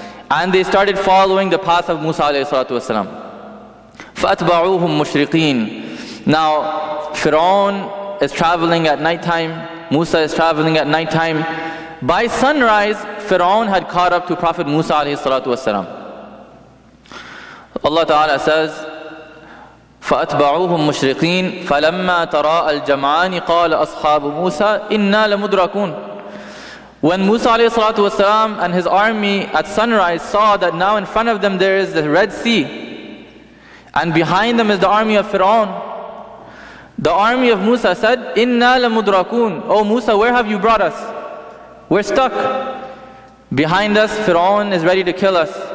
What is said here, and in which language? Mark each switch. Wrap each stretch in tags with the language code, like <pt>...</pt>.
<en>And they started following the path of Musa alayhi salatu wasalam.</en> <ar>فَأَتْبَعُوهُمْ مُشْرِقِينَ.</ar> <en>Now, Fir'aun is traveling at night time. Musa is traveling at night time. By sunrise, Fir'aun had caught up to Prophet Musa alayhi salatu wasalam. Allah Ta'ala says,</en> <ar>فَأَتْبَعُوهُمْ مُشْرِقِينَ فَلَمَّا تَرَاءَ الْجَمْعَانِ قَالَ أَصْحَابُ مُوسَىٰ إِنَّا لَمُدْرَكُونَ.</ar> <en>When Musa alayhi salatu wasalam and his army at sunrise saw that now in front of them there is the Red Sea, and behind them is the army of Fir'aun, the army of Musa said,</en> <ar>إِنَّا لَمُدْرَكُونَ.</ar> <en>Oh Musa, where have you brought us? We're stuck. Behind us, Fir'aun is ready to kill us.</en>